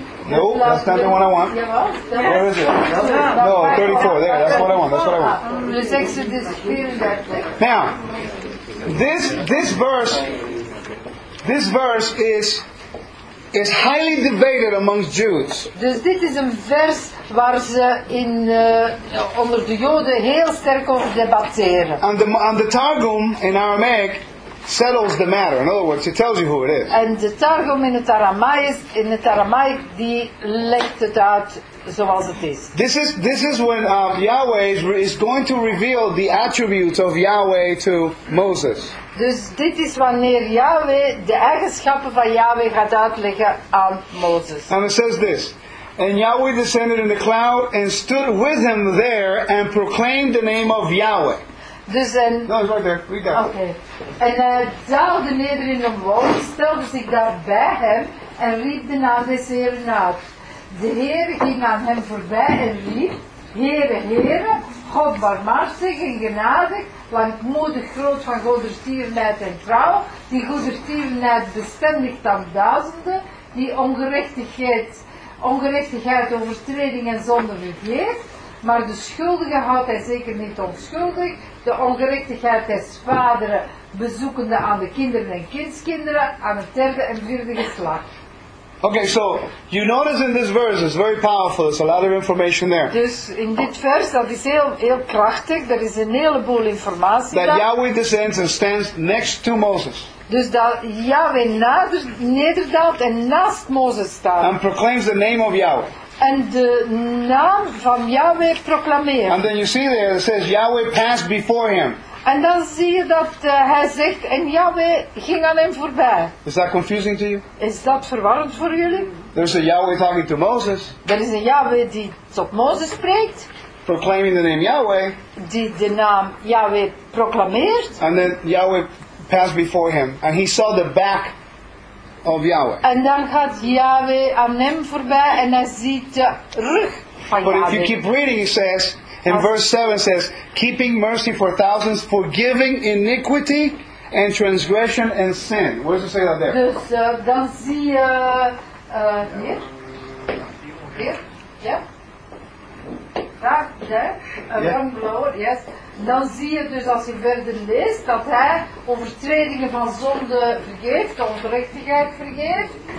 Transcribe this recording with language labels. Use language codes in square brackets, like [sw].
[en] No, that's not the one I want. Where is it? No, 34, there, that's what I want, that's what I want. Now, this verse is highly debated amongst Jews. [nl] Dus dit is een vers waar ze in onder de Joden heel sterk over debatteren. [en] And the Targum in Aramaic settles the matter. In other words, it tells you who it is. [nl] En de Targum in het Aramaïs, in het Aramaïk, die legt het uit zoals het is. [en] This is when Yahweh is going to reveal the attributes of Yahweh to Moses. [nl] Dus dit is wanneer Yahweh de eigenschappen van Yahweh gaat uitleggen aan Mozes. [en] And it says this: And Yahweh descended in the cloud and stood with him there and proclaimed the name of Yahweh. [nl] Dus [en] en. No, it's right there. Read that. Okay. [nl] En hij daalde neder in een wolk, stelde zich daar bij hem en riep de naam des Heeren uit. De Heer ging aan hem voorbij en riep: Heere, Heere, God barmhartig en genadig. Langmoedig, groot van goedertierenheid en trouw, die goedertierenheid bestendigt aan duizenden, die ongerechtigheid, overtreding en zonde vergeet, maar de schuldige houdt hij zeker niet onschuldig, de ongerechtigheid des vaderen bezoekende aan de kinderen en kindskinderen, aan het derde en vierde geslacht. [en] Okay, so you notice in this verse, it's very powerful. There's a lot of information there. [nl] Dus in dit vers, dat is heel, heel krachtig. Er is een heleboel informatie. [en] That Yahweh descends and stands next to Moses. [nl] Dus dat Yahweh nederdaalt en naast Moses staat. [en] And proclaims the name of Yahweh. [nl] En de naam van Yahweh proclameert. [en] And then you see there, it says Yahweh passed before him. [nl] En dan zie je dat hij zegt, en Yahweh ging aan hem voorbij. [en] Is that confusing to you? [nl] Is dat verwarrend voor jullie? [en] There's a Yahweh talking to Moses. [nl] Er is een Yahweh die tot Mozes spreekt. [en] Proclaiming the name Yahweh. [nl] Die de naam Yahweh proclameert. [en] And then Yahweh passed before him. And he saw the back of Yahweh. [nl] En dan gaat Yahweh aan hem voorbij en hij ziet de rug van [en] But [nl] Yahweh. [en] But if you keep reading, he says... In verse 7 says, keeping mercy for thousands, forgiving iniquity and transgression and sin. Where does it say that there? [nl] Dus dan zie je Dan zie je dus als je verder leest dat hij overtredingen van zonde vergeeft, de ongerechtigheid vergeeft.